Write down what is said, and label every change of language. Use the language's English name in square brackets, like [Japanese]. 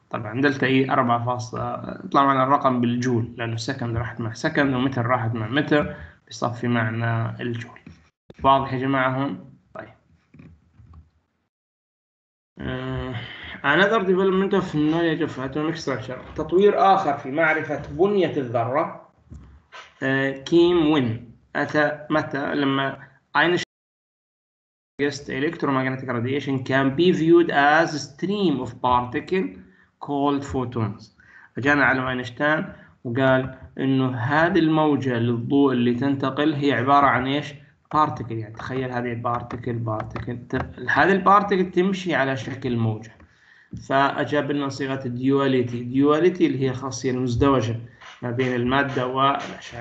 [Arabic] طبعا دلتا اي 4 فاصلة طلع معنا الرقم بالجول، لانه سكند راحت مع سكند ومتر راحت مع متر، بيصفي معنا الجول. واضح يا جماعة هون؟ طيب [English] another development of knowledge of atomic structure، [Arabic] تطوير اخر في معرفة بنية الذرة [English] came when، [Arabic] اتى متى؟ لما [English] electromagnetic radiation can be viewed as stream of particle called photons. [Arabic] جانا على أينشتاين وقال إنه هذه الموجة للضوء اللي تنتقل هي عبارة عن إيش؟ بارتيكل. يعني تخيل هذه بارتيكل بارتيكل، هذه البارتيكل تمشي على شكل موجة. فأجاب إنه صيغة الديواليتي، ديواليتي اللي هي خاصية المزدوجة ما بين المادة والأشعة.